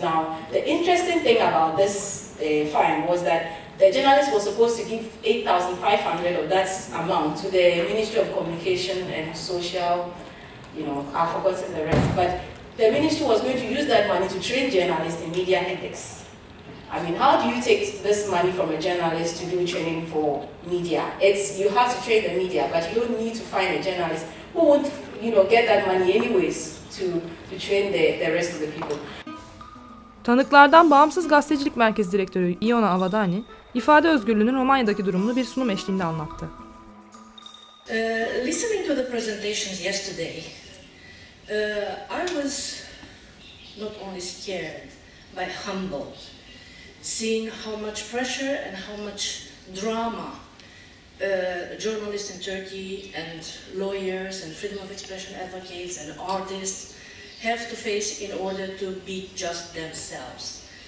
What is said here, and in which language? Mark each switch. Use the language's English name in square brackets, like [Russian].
[English] Now, the interesting thing about this fine was that the journalist was supposed to give 8,500 of that amount to the Ministry of Communication and Social, you know, I've forgotten the rest, but the ministry was going to use that money to train journalists in media ethics. I mean, how do you take this money from a journalist to do training for media? It's, you have to train the media, but you don't need to find a journalist who won't, you know, get that money anyways to train the rest of the people. [Turkish] Tanıklardan Bağımsız Gazetecilik Merkezi Direktörü Iona Avadani, ifade özgürlüğünün Romanya'daki durumunu bir sunum eşliğinde anlattı. [English] Listening to the presentations yesterday, I was not only scared, but humbled, seeing how much pressure and how much drama journalists in Turkey and lawyers and freedom of expression advocates and artists have to face in order to be just themselves.